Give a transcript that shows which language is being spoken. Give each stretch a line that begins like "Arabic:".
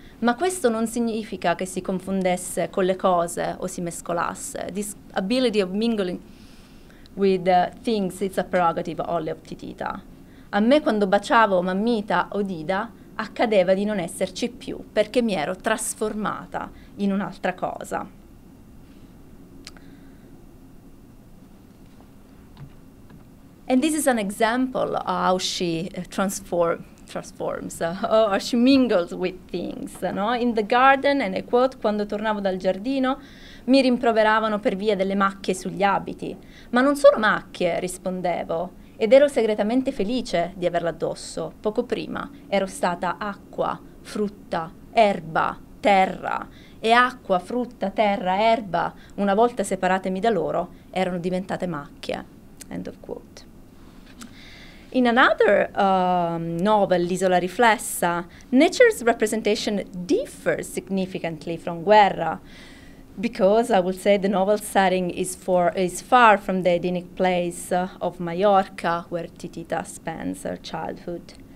Italian: Ma questo non significa che si confondesse con le cose o si mescolasse.
English: This ability of mingling with things, it's a prerogative only of Titita.
Italian: A me quando baciavo mammita o Dida, accadeva di non esserci più, perché mi ero trasformata in un'altra cosa.
English: And this is an example of how she transforms, or she mingles with things, no? In the garden, and I quote,
Italian: quando tornavo dal giardino, mi rimproveravano per via delle macchie sugli abiti. Ma non sono macchie, rispondevo, ed ero segretamente felice di averla addosso. Poco prima ero stata acqua, frutta, erba, terra. E acqua, frutta, terra, erba, una volta separatemi da loro, erano diventate macchie.
English: End of quote. In another novel, L'Isola Riflessa, nature's representation differs significantly from Guerra, because I would say the novel setting is far from the idyllic place of Mallorca, where Titita spends her childhood.